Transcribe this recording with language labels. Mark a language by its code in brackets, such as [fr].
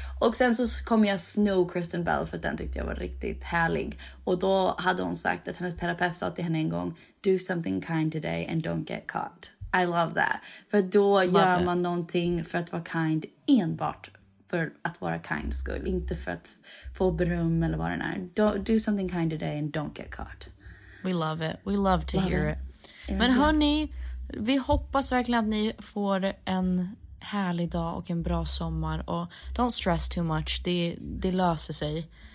[sv] Och sen så kom jag snow Kristen Bell, för den tyckte jag var riktigt härlig. Och då hade hon sagt att hennes terapeut sa till henne en gång, [en] do something kind today and don't get caught. I love that. [sv] För då gör man någonting för att vara kind, enbart för att vara kind skull. Inte för att få beröm eller vad det är. [en] Do something kind today and don't get caught. We love it. We love to hear it. [sv] Men hörni, vi hoppas verkligen att ni får en... härlig dag och en bra sommar, och [en] don't stress too much, [sv] det löser sig.